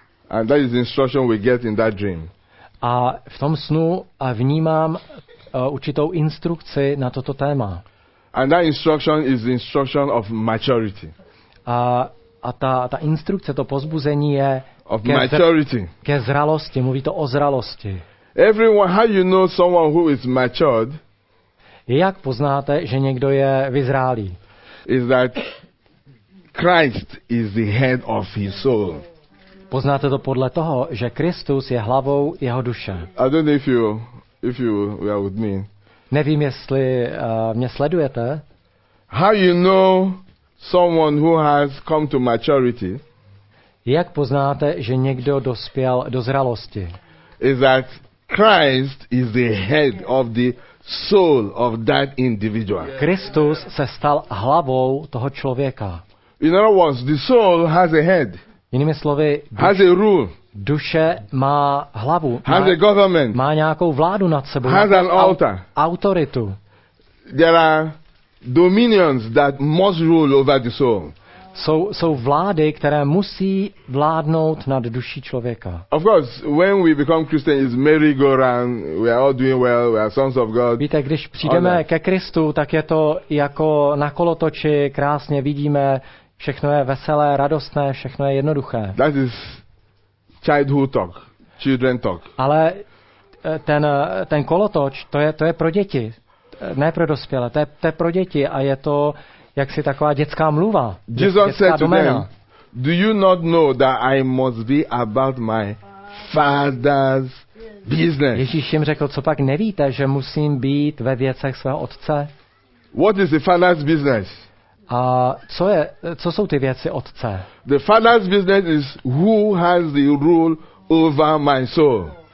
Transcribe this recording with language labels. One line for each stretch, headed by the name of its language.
English: And that is the instruction we get in that dream.
Czech: A v tom snu vnímám určitou instrukci na toto téma.
English: And that instruction is the instruction of maturity.
Czech: A ta instrukce, to pozbuzení je
English: of maturity.
Czech: Ke zralosti, mluví to o zralosti.
English: Everyone, how you know someone who is matured?
Czech: Jak poznáte, že někdo je vyzrálý?
English: Is that Christ is the head of his soul.
Czech: Poznáte to podle toho, že Kristus je hlavou jeho duše.
English: I don't know if you are with me.
Czech: Nevím, jestli mě sledujete.
English: How you know someone who has come to maturity?
Czech: Jak poznáte, že někdo dospěl do zralosti?
English: Is that Christ is the head of the soul of that individual.
Czech: Kristus se stal hlavou toho člověka.
English: In other words, the soul has a head.
Czech: Jinými slovy,
English: has a rule.
Czech: Duše má hlavu.
English: Has a government.
Czech: Má nějakou vládu nad sebou.
English: Has an altar.
Czech: Autoritu.
English: There are dominions that must rule over the soul.
Czech: Jsou vlády, které musí vládnout nad duší člověka.
English: Of course, when we become Christian, it's merry-go-round. We are all doing well. We are sons of God.
Czech: Víte, když přijdeme ke Kristu, tak je to jako na kolotoči. Krásně vidíme, všechno je veselé, radostné, všechno je jednoduché.
English: That is childhood talk, children talk.
Czech: Ale ten kolotoč, to je pro děti, ne pro dospělé. To je pro děti a je to jak si taková dětská mluva.
English: Jesus
Czech: dětská
English: said
Czech: domena.
English: To them, do you not know that I must be about my father's business?
Czech: Ježíš jim řekl, co pak nevíte, že musím být ve věcech svého otce?
English: What is the father's business?
Czech: A co jsou ty věci otce?
English: The father's business is who has the rule over my soul.